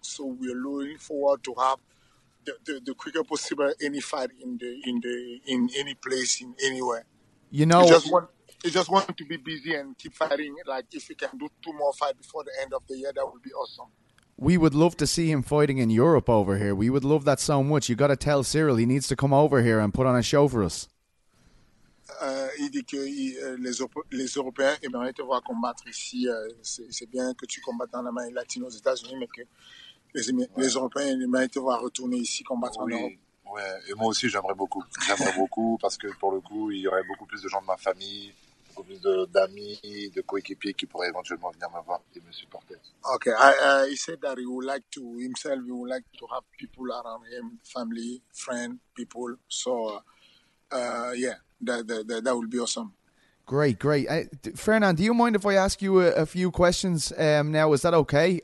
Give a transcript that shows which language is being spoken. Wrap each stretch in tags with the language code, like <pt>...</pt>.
<en>So we're looking forward to have the quicker possible any fight in any place in anywhere. You know, you just want to be busy and keep fighting. Like if we can do 2 more fights before the end of the year, that would be awesome. We would love to see him fighting in Europe over here. We would love that so much. You got to tell Cyril he needs to come over here and put on a show for us.</en> <fr>Il dit que les Européens aimeraient te voir combattre ici. C'est bien que tu combattes dans la main latine aux États-Unis, mais que les Européens aimeraient te voir retourner ici combattre en Europe. Ouais. Et moi aussi, j'aimerais beaucoup. J'aimerais beaucoup parce que pour le coup, il y aurait beaucoup plus de gens de ma famille, beaucoup plus d'amis, de coéquipiers qui pourraient éventuellement venir me voir et me supporter. Ok.</fr> <en>He said that he would like to have people around him, family, friends, people. So, yeah. That would be awesome. Great. Fernand, do you mind if I ask you a few questions now? Is that okay?</en>